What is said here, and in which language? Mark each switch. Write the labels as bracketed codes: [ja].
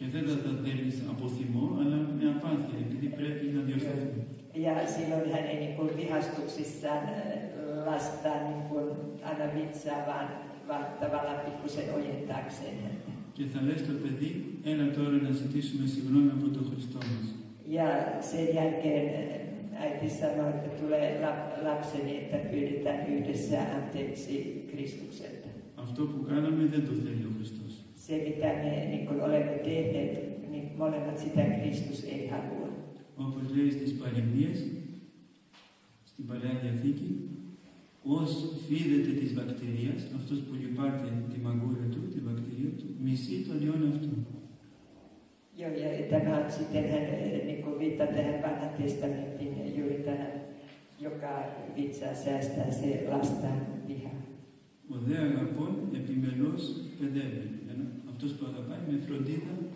[el] Και δεν θα τα δένεις από θυμό, αλλά με απάθεια, επειδή πρέπει να διορθώσουν. [fi] Ja silloin hän ei niin kuin vihastuksissaan lasta niin kuin aina vitsää, vaan tavallaan pikkusen ojentaakseen. [el] Και θα λες το παιδί, έλα τώρα να ζητήσουμε συγγνώμη από τον Χριστό μας. [fi] Ja sen jälkeen äiti sanoi, että tulee lapseni, että pyydetään yhdessä anteeksi Kristukselta. [el] Αυτό που κάναμε δεν το θέλει ο Χριστός. [fi] Se mitä me niin kuin olemme tehneet, niin molemmat sitä Kristus ei halua. [el] Όπως λέει στις παροιμίες, στην Παλαιά Διαθήκη, ως φίδεται της βακτηρίας, αυτός που λυπάται τη μαγούρα του, τη βακτηρία του, μισεί τον αιώνα αυτού. Και τώρα [fi] sitten hän niinku viittaa tähän vanhan testamentin juuri tähän, joka vitsaa säästää se lasten viha. [el] Ο δε αγαπών επιμελώς παιδεύει. Αυτός που αγαπάει με φροντίδα